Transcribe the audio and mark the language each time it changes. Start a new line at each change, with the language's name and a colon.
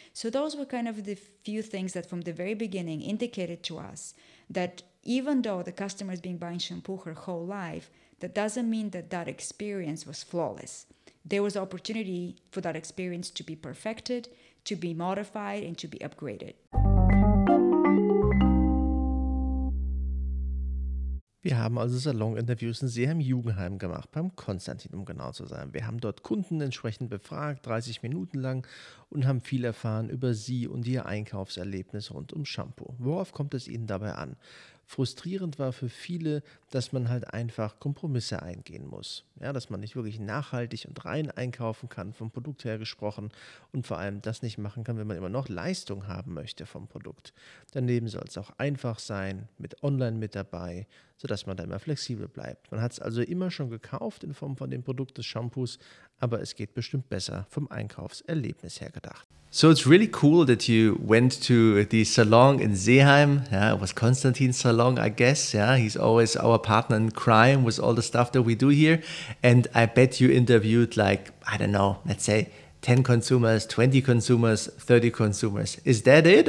English: So those were kind of the few things that from the very beginning indicated to us that even though the customer has been buying shampoo her whole life, that doesn't mean that that experience was flawless. There was opportunity for that experience to be perfected, to be modified, and to be upgraded.
German: Wir haben also Salon-Interviews in Seeheim-Jugendheim gemacht, beim Konstantin, um genau zu sein. Wir haben dort Kunden entsprechend befragt, 30 Minuten lang, und haben viel erfahren über sie und ihr Einkaufserlebnis rund um Shampoo. Worauf kommt es ihnen dabei an? Frustrierend war für viele, dass man halt einfach Kompromisse eingehen muss. Ja, dass man nicht wirklich nachhaltig und rein einkaufen kann, vom Produkt her gesprochen, und vor allem das nicht machen kann, wenn man immer noch Leistung haben möchte vom Produkt. Daneben soll es auch einfach sein, mit online mit dabei, sodass man da immer flexibel bleibt. Man hat es also immer schon gekauft in Form von dem Produkt des Shampoos, aber es geht bestimmt besser vom Einkaufserlebnis her gedacht.
English: So it's really cool that you went to the salon in Seeheim. Yeah, it was Konstantin's salon, I guess. Yeah, he's always our partner in crime with all the stuff that we do here. And I bet you interviewed like, I don't know, let's say 10 consumers, 20 consumers, 30 consumers. Is that it?